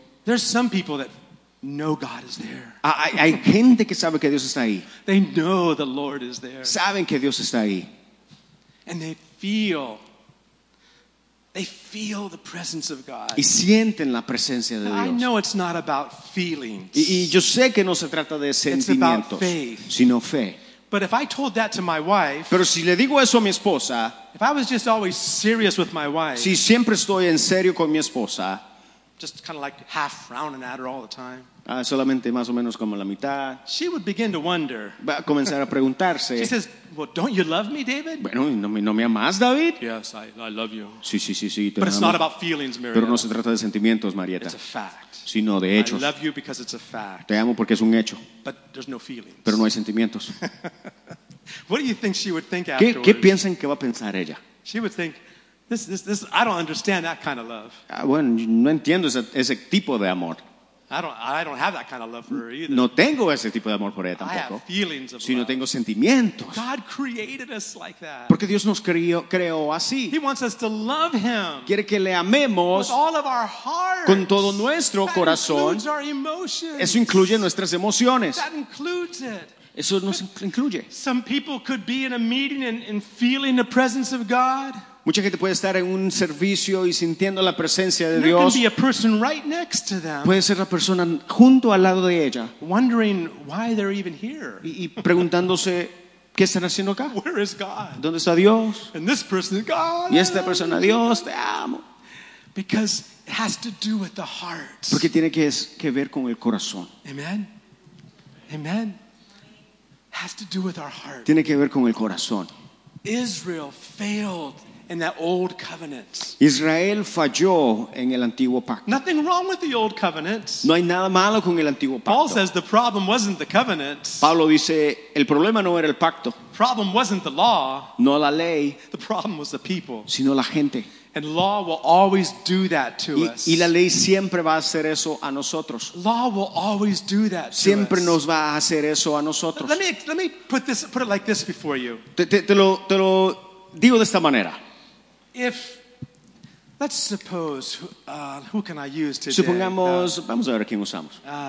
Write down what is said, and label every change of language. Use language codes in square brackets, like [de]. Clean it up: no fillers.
[en] there's some people that know God is there. [es] Hay gente que sabe que Dios está ahí. [en] They know the Lord is there. [es] Saben que Dios está ahí. [en] And they feel the presence of God. [es] Y sienten la presencia de Dios. [en] I know it's not about feelings. [es] Y yo sé que no se trata de sentimientos. [en] It's about faith. [es] Sino fe. [en] But if I told that to my wife, [es] pero si le digo eso a mi esposa, [en] if I was just always serious with my wife, [es] si siempre estoy en serio con mi esposa, [en] just kind of like half frowning at her all the time. [es] Solamente más o menos como la mitad. [en] She would begin to wonder. [es] Va a comenzar a preguntarse. [en] She says, "Well, don't you love me, David?" [es] Bueno, ¿no me amas, David? [en] Yes, I love you. [es] Sí, [en] but it's not about feelings, Marietta. [es] Pero no se trata de sentimientos, Marietta. [en] It's a fact. [es] Sino de hechos. [en] I love you because it's a fact. [es] Te amo porque es un hecho. [en] But there's no feelings. [es] Pero no hay sentimientos. [en] What do you think she would think afterwards? [es] ¿Qué piensan que va a pensar ella? [en] She would think, "This, I don't understand that kind of love." [es] Bueno, no entiendo ese tipo de amor. [en] I don't have that kind of love for her either. [es] No tengo ese tipo de amor por ella tampoco. [en] I have feelings of love. [es] Sino tengo sentimientos. [en] God created us like that. [es] Porque Dios nos creó así. [en] He wants us to love him. [es] Quiere que le amemos. [en] With all of our hearts. [es] Con todo nuestro corazón. [en] That includes our emotions. [es] Eso incluye nuestras emociones. [en] That includes it. [es] Eso nos incluye. [en] Some people could be in a meeting and feeling the presence of God. [es] Mucha gente puede estar en un servicio y sintiendo la presencia de Dios. [en] There can be a person right next to them. [es] Puede ser la persona junto al lado de ella. [en] Wondering why they're even here. [es] Y preguntándose qué están haciendo acá. [en] Where is God? [es] ¿Dónde está Dios? [en] And this person is God. [es] Y esta persona, Dios, te amo. [en] Because it has to do with the heart. [es] Porque tiene que ver con el corazón. [en] Amen. Amen. Has to do with our heart. [es] Tiene que ver con el corazón. [en] Israel failed. In that old covenant. [es] Israel falló en el antiguo pacto. [en] Nothing wrong with the old covenant. [es] No hay nada malo con el antiguo pacto. [en] Paul says the problem wasn't the covenant. [es] Pablo dice el problema no era el pacto. [en] Problem wasn't the law. [es] No la ley. [en] The problem was the people. [es] Sino la gente. [en] And law will always do that to us. [es] Y la ley siempre va a hacer eso a nosotros. [en] Law will always do that to us. [es] Siempre nos va a hacer eso a nosotros. [en] Let me put it like this before you. [es] Te lo digo de esta manera. [en] If let's suppose who can I use today? [es] Supongamos, vamos a ver quién usamos.